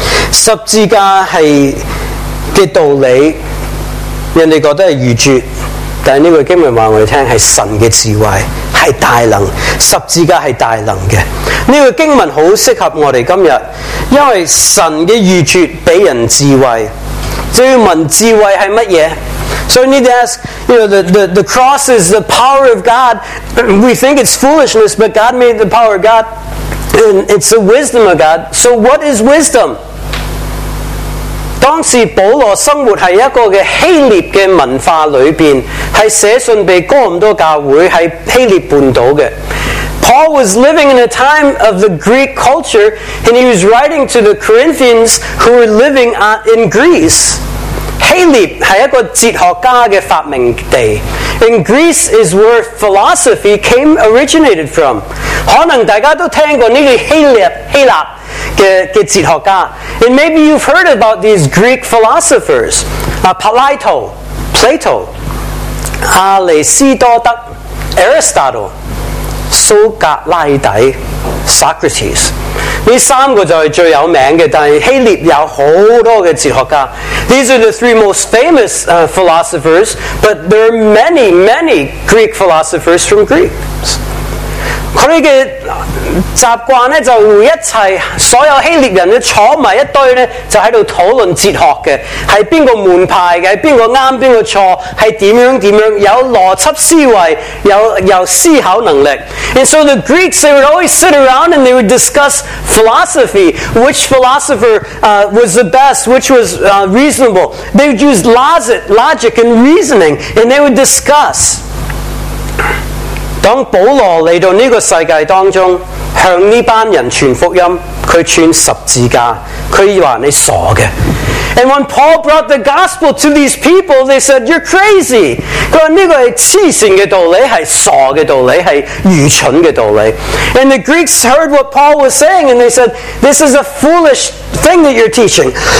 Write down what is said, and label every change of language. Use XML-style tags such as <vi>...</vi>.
<zh>十字架是的道理，人家觉得是愚拙，但这个经文告诉我们是神的智慧，是大能，十字架是大能的。这个经文很适合我们今天，因为神的愚拙给人智慧，就要问智慧是什么。</zh> <en>所以 need to ask, you know, the cross is the power of God. We think it's foolishness, but God made the power of God, and it's the wisdom of God. So what is wisdom?</en> <zh>当时保罗生活在一个的希腊的文化里面，是写信给哥林多教会，是希腊半岛的。</zh> <en>Paul was living in a time of the Greek culture, and he was writing to the Corinthians who were living in Greece.</en> <zh>希腊是一个哲学家的发明地，</zh> <en>and Greece is where philosophy came originated from.</en> <zh>可能大家都听过这个希腊的哲学家。</zh> <en>And maybe you've heard about these Greek philosophers. Plato, Aristotle, Aristotle, Socrates, Socrates.</en> <zh>这三个就是最有名的，但是希腊有很多的哲学家。</zh> <en>These are the three most famous philosophers, but there are many, many Greek philosophers from Greece.</en> <zh>他们的习惯呢，就会一起所有希腊人坐在一堆呢，就在讨论哲学的，是哪个门派的，是哪个对哪个错，是怎样怎样，有逻辑思维， 有思考能力。</zh> <en>And so the Greeks, they would always sit around and they would discuss philosophy, which philosopher was the best, which was reasonable. They would use logic and reasoning, and they would discuss.</en> <zh>当保罗来到这个世界当中，向这班人传福音，他穿十字架，他说你傻的。</zh> <en>And when Paul brought the gospel to these people, they said, you're crazy.</en> <zh>他说这个是痴线的道理，是傻的道理，是愚蠢的道理。</zh> <en>And the Greeks heard what Paul was saying, and they said, this is a foolish thing that you're teaching.</en>